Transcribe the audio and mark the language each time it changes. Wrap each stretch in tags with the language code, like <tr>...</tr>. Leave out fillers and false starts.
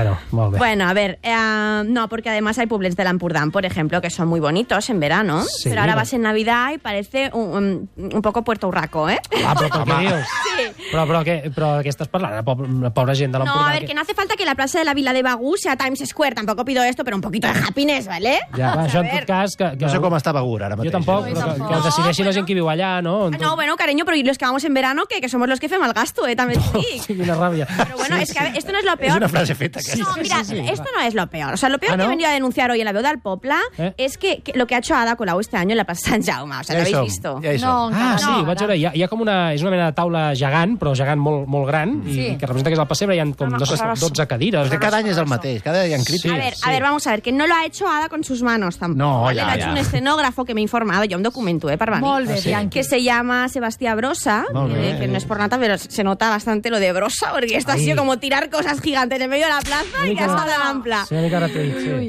<es>Bueno, a ver, no, porque además hay pueblos de l'Empordà, por ejemplo, que son muy bonitos en verano, pero ahora vas en Navidad y parece un poco Puerto Urraco, ¿eh? Ah, pero qué dios.</es> <ca>Però de què estàs parlant? La pobra gent de l'Empordà.</ca> <es>No, a ver, que no hace falta que la plaça de la Vila de Bagú sea Times Square. Tampoco pido esto, pero un poquito de happiness, ¿vale?</es> <ca>Ja, va, això en tot cas... No sé com està Bagú ara mateix. Jo tampoc, però que decideixi la gent que viu allà, no?</ca> <es>No, bueno, cariño, pero los que vamos en verano, que somos los que fem el gasto,</es> <ca>també t'ho dic. Sí, quina ràbia.</ca> <es>Però bueno, es que esto no es lo peor.</es> <ca>Es una frase feta, aquesta.</ca> <es>No, mira, esto no es lo peor. O sea, lo peor que he venido a denunciar hoy en la veu del poble es que lo que ha hecho Ada Colau este año en la plaça Sant Jaume. O sea, ¿lo habéis visto?</es> <ca>Sí, vaig veure, hi ha com una... És una mena de taula gegant, però gegant molt gran, i que representa que és el pessebre, hi ha com 12 cadires. Cada any és el mateix, cada any hi ha crítics.</ca> <es>A ver, que no lo ha hecho Ada con sus manos tampoc. No, ja, ja. Ha hecho un escenógrafo que m'he informado,</es> <ca>jo em documento, per venir. Molt bé,</ca> <es>que se llama Sebastià Brossa, que no és por nata, però se nota bastante lo de Brossa,</es> <ca>perquè</ca> <es>esto ha sido como tirar cosas gigantes en medio de la plaza y ha estado ampla.</es> <ca>Sí, una mica ratell, sí.</ca>